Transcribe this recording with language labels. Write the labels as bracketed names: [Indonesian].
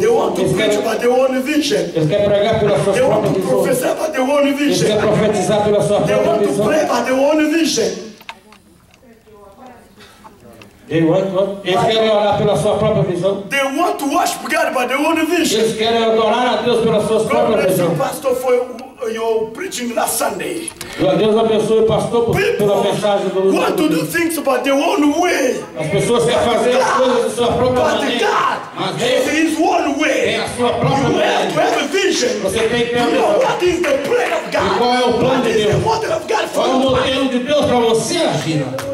[English] They want to preach by their own vision. [Portuguese] Eles querem pregar pelas suas próprias. [English] They want to profess by their own vision. [Portuguese] Eles querem profetizar pela sua própria visão. [English] They want to pray by their own vision. [Portuguese] Eles querem orar pela sua própria visão. [English] They want to worship God by their own vision. [Portuguese] Eles querem adorar a Deus pela sua própria visão. [English] Pastor foi your preaching last Sunday. [Portuguese] Deus abençoe o pastor pela mensagem do [English] want to do things about their own way. [Portuguese] As pessoas querem fazer as coisas da sua própria maneira. [English] God. There is one way. You have a vision. [Portuguese] Você tem que ter uma visão. E qual é o plano de Deus? Qual é o modelo de Deus para você, Gina?